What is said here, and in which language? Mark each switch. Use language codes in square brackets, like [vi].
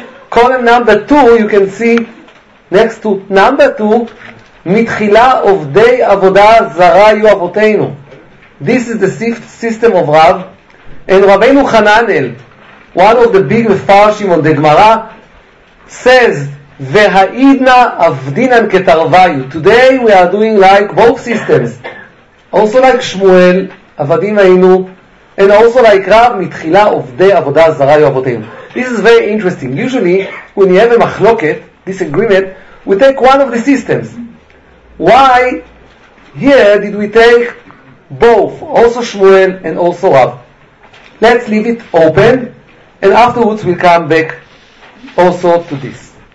[en] Column number two, you can see next to number two, [he] מתחילה עובדי עבודה זרה היו אבותינו. [en] This is the system of Rav. And Rabbeinu Chananel, one of the big mefarshim on the Gemara, says, [arc] והעידנה עבדינן כתרוויו. [en] Today we are doing like both systems. Also like Shmuel, [he] עבדים היינו, [en] and also like Rav, [he] מתחילה עובדי עבודה זרה היו אבותינו. [en] This is very interesting. Usually, when you have a machloket, disagreement, we take one of the systems. Why Here, did we take both, also Shmuel and also Rav? Let's leave it open, and afterwards we'll come back also to this.